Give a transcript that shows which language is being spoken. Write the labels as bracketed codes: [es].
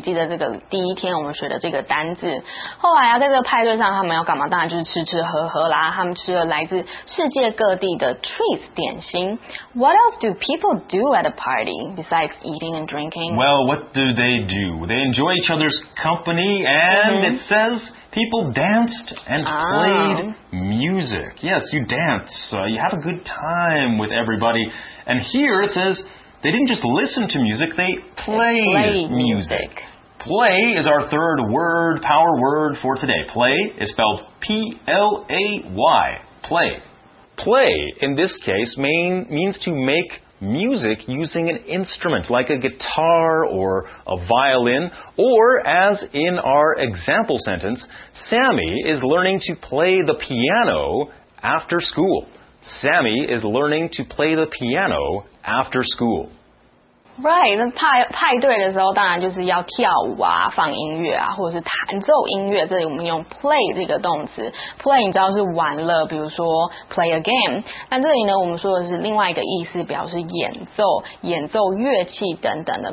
[zh] 记得这个第一天我们学的这个单字。后来啊，在这个派对上他们要干嘛？当然就是吃吃喝喝啦。他们吃了来自世界各地的 treats 点心。 [en] What else do people do at a party besides eating and drinking? Well, what do they do? They enjoy each other's company, and it says... People danced and played music. Yes, you dance. You have a good time with everybody. And here it says they didn't just listen to music, they played music. Play is our third word, power word for today. Play is spelled P-L-A-Y. Play. Play, in this case, means to make music using an instrument like a guitar or a violin, or as in our example sentence, Sammy is learning to play the piano after school. Sammy is learning to play the piano after school. Right, [zh] 那派对的时候当然就是要跳舞啊，放音乐啊，或者是弹奏音乐。这里我们用 play 这个动词， play 你知道是玩乐，比如说 [en] play a game。 [zh] 那这里呢，我们说的是另外一个意思，表示演奏、演奏乐器等等的。